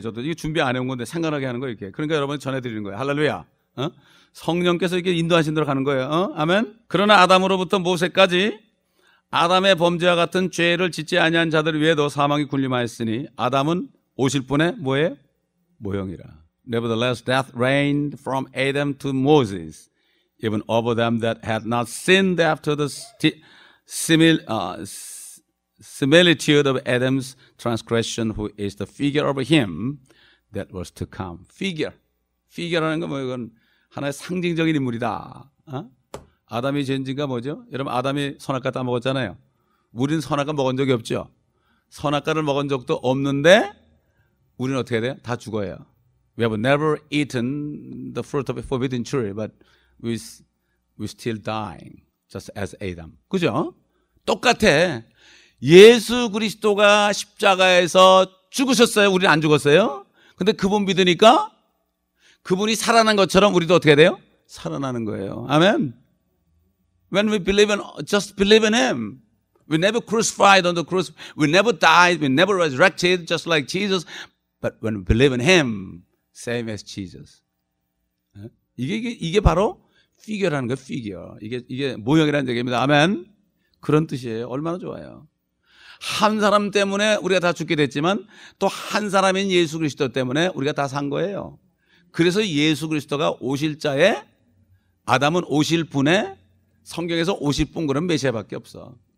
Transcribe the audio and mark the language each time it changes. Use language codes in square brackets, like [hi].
[ko] 저도 이게 준비 안 해온 건데 생각나게 하는 거예요, 이렇게. 그러니까 여러분 전해드리는 거예요. 할렐루야. 성령께서 이렇게 인도하신 대로 가는 거예요. 아멘. 그러나 아담으로부터 모세까지 아담의 범죄와 같은 죄를 짓지 아니한 자들 위에도 사망이 군림하였으니 아담은 오실 분의 뭐예요? 모형이라. [en] Nevertheless, death reigned from Adam to Moses, even over them that had not sinned after the similitude of Adam's transgression, who is the figure of him that was to come. [ko] Figure. Figure라는 건 뭐예요? 이건 하나의 상징적인 인물이다. 어? 아담이 죄인지가 뭐죠? 여러분, 아담이 선악과 따먹었잖아요. 우린 선악과 먹은 적이 없죠. 선악과를 먹은 적도 없는데 우리는 어떻게 돼요? 다 죽어요. [en] We have never eaten the fruit of the forbidden tree, but we still dying just as Adam. [ko] 그죠? 똑같아. 예수 그리스도가 십자가에서 죽으셨어요. 우리는 안 죽었어요. 근데 그분 믿으니까 그분이 살아난 것처럼 우리도 어떻게 돼요? 살아나는 거예요. 아멘. [en] When we believe in, just believe in him. We never crucified on the cross. We never died. We never resurrected just like Jesus. But when we believe in him, same as Jesus. [ko] 이게 바로 figure라는 거예요. Figure. 이게 모형이라는 얘기입니다. 아멘. 그런 뜻이에요. 얼마나 좋아요. 한 사람 때문에 우리가 다 죽게 됐지만 또 한 사람인 예수 그리스도 때문에 우리가 다 산 거예요. 그래서 예수 그리스도가 오실 자에 아담은 오실 분에 성경에서 오실 분 그런 메시아밖에 없어.